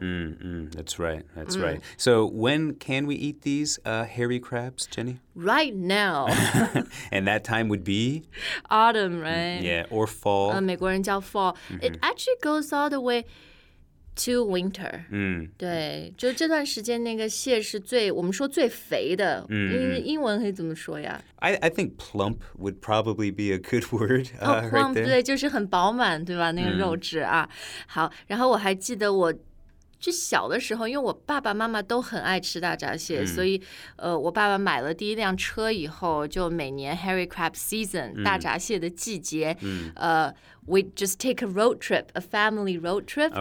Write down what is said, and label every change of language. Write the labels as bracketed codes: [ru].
[en] mm-hmm. Mm-hmm. That's right, that's、mm-hmm. right. So when can we eat these、hairy crabs, Jenny? Right now. And that time would be? Autumn, right? Yeah, or fall. [zh] 美国人叫 fall. Mm-hmm. [en] It actually goes all the way to winter. Mm. [zh] 对,就这段时间那个蟹是最,我们说最肥的。英文可以怎么说呀? [en] I think plump would probably be a good word. [zh] Plump, 对,就是很饱满,对吧?那个肉质啊。好,然后我还记得我就小的时候，因为我爸爸妈妈都很爱吃大闸蟹，所以，我爸爸买了第一辆车以后，就每年 hairy crab season 大闸蟹的季节， we just take a road trip, a family road trip.